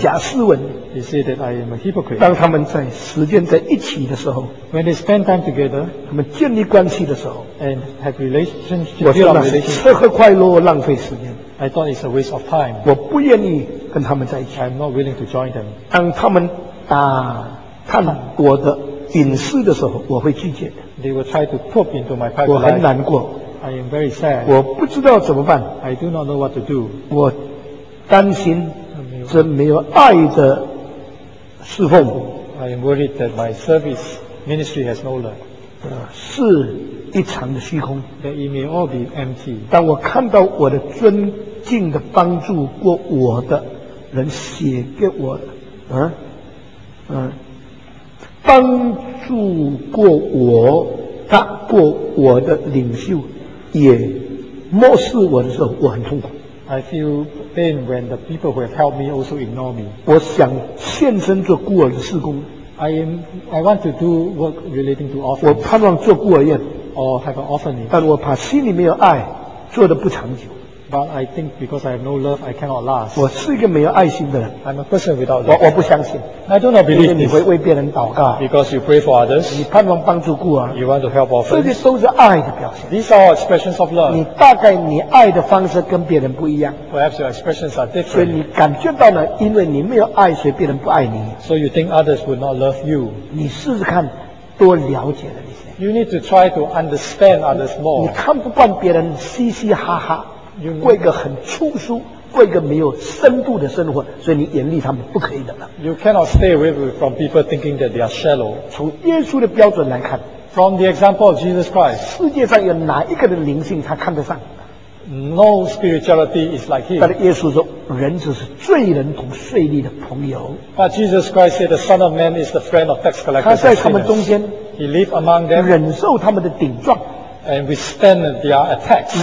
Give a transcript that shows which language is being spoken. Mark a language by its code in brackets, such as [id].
[zh] 假斯文。 [en] They say that I am a hypocrite. [zh] 当他们在时间在一起的时候， [en] When they spend time together, [zh] 他们建立关系的时候， [en] and have relationships, [zh] 我说那是吃喝快乐，浪费时间。 [en] I thought it's a waste of time. [zh] 我不愿意跟他们在一起。 [en] I'm not willing to join them. [zh] 当他们打探我的隐私的时候，我会拒绝。 [en] They will try to probe into my private life. [zh] 我很难过。 [en] I am very sad. [zh] 我不知道怎么办。 [en] I do not know what to do. [zh] 我担心这没有爱的侍奉。 [en] I am worried that my service ministry has no love. [zh] 是一场的虚空。 [en] That it may all be empty. [zh] 当我看到我的尊敬的帮助过我的人写给我的，帮助过我、打过我的领袖，也漠视我的时候，我很痛苦。 [en] I feel pain when the people who have helped me also ignore me. [zh] 我想献身做孤儿的事工。 [en] I want to do work relating to orphans. [zh] 我盼望做孤儿院。 [en] or have an orphanage. [zh] 但我怕心里没有爱，做得不长久。 [en] But I think because I have no love, I cannot last. [zh] 我是一个没有爱心的人。 [en] I'm a person without love. [zh] 我不相信。 [en] I do not believe. [zh] 你会为别人祷告。 [en] Because you pray for others. [zh] 你盼望帮助孤儿。 [en] You want to help orphans. [zh] 这些都是爱的表现。 [en] These are all expressions of love. [zh] 你大概你爱的方式跟别人不一样。 [en] Perhaps your expressions are different. [zh] 所以你感觉到了，因为你没有爱，所以别人不爱你。 [en] So you think others would not love you. [zh] 你试试看，多了解了一些。 [en] You need to try to understand others more. [zh] 你看不惯别人嘻嘻哈哈。过一个很粗疏，过一个没有深度的生活，所以你严厉他们不可以的了。 [en] You cannot stay away from people thinking that they are shallow. [zh] 从耶稣的标准来看 [en] ，from the example of Jesus Christ， [zh] 世界上有哪一个的灵性他看得上 [en] ？No spirituality is like him. [zh] 但是耶稣说，人只是罪人同税吏的朋友。 [en] But Jesus Christ said the Son of Man is the friend of tax collectors. [zh] 他在他们中间 [en] ，He lived among them， [zh] 忍受他们的顶撞。 [en] And withstand their attacks.